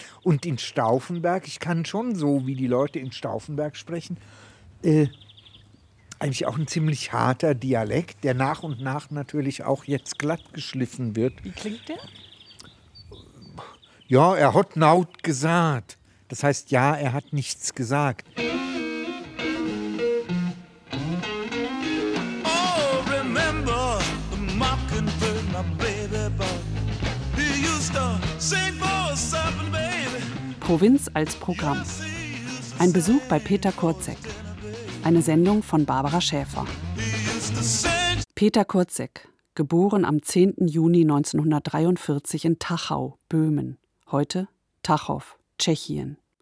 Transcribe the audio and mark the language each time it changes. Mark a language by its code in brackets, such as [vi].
[de] Und in Stauffenberg, ich kann schon so, wie die Leute in Stauffenberg sprechen, eigentlich auch ein ziemlich harter Dialekt, der nach und nach natürlich auch jetzt glatt geschliffen wird. Wie klingt der? Ja, er hat naut gesagt. Das heißt, ja, er hat nichts gesagt. [en] Oh, remember the mockingbird, my baby boy. He used to sing for us, baby. [de] Provinz als Programm. Ein Besuch bei Peter Kurzeck. Eine Sendung von Barbara Schäfer. Peter Kurzeck, geboren am 10. Juni 1943 in Tachau, Böhmen, heute Tachow, Tschechien.